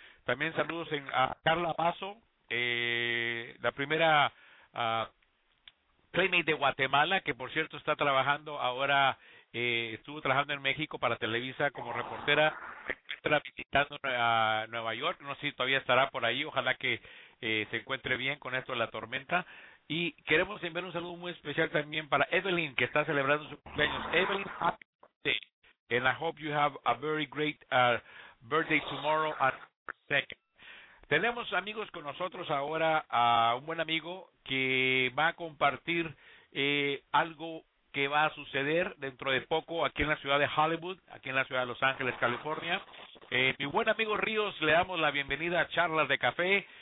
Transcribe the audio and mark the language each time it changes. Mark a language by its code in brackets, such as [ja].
[es] También saludos a Carla Basso, la primera playmate de Guatemala, que, por cierto, está trabajando ahora, estuvo trabajando en México para Televisa como reportera. Estará visitando a Nueva York, no sé si todavía estará por ahí, ojalá que se encuentre bien con esto de la tormenta. Y queremos enviar un saludo muy especial también para Evelyn, que está celebrando su cumpleaños. [en] Evelyn, happy birthday, and I hope you have a very great birthday tomorrow at 2nd. [es] Tenemos amigos con nosotros ahora, a un buen amigo que va a compartir algo que va a suceder dentro de poco aquí en la ciudad de Hollywood, aquí en la ciudad de Los Ángeles, California. Mi buen amigo Ríos, le damos la bienvenida a Charlas de Café.